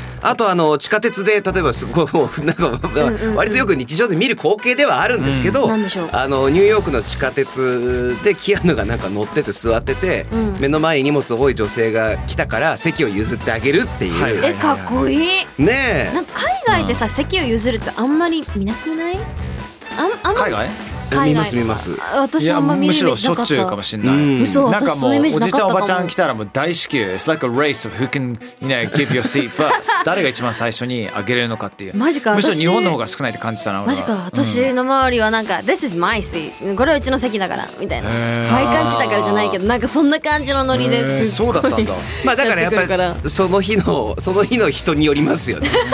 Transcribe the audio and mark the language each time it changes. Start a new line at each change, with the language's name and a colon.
Japanese: あとあの地下鉄で例えばすごいもうなんか割とよく日常で見る光景ではあるんですけど、あのニューヨークの地下鉄でキアヌがなんか乗ってて座ってて、目の前に荷物多い女性が来たから席を譲ってあげるっていう、かっこいいね。え、なんか海外でさ席を譲るってあんまり見なくない？海外？海外。見ます見ます。私あんま見る目なかった。むしろしょっちゅうかもしれない。嘘、私そのイメージなかった。おじちゃんおばちゃん来たらもう大至急。
English: It's like a race of who can you know give your seat first。
Japanese: 誰が一番最初にあげれるのかっていう。マジか。むしろ日本の方が少ないって感じたな。マジか。私の周りはなんか
English: This is my seat。
Japanese: これはうちの席だからみたいな。はい感じたからじゃないけどなんかそんな感じのノリです。そうだったんだ。まあだからやっぱりその日のその日の人によりますよね。